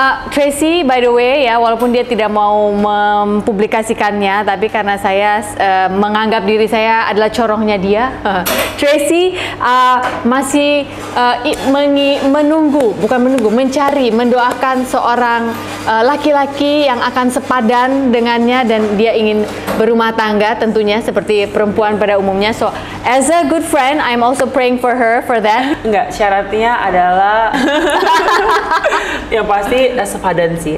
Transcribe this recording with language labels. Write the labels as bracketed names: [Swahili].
[Indonesian] Tracy [English] by the way [Indonesian] ya, walaupun dia tidak mau mempublikasikannya, tapi karena saya menganggap diri saya adalah corongnya dia. Tracy masih mencari, mendoakan seorang laki-laki yang akan sepadan dengannya dan dia ingin berumah tangga. bangga tentunya seperti perempuan pada umumnya. [English] So as a good friend, I'm also praying for her for that. [Indonesian] Enggak, syaratnya adalah yang pasti sepadan sih.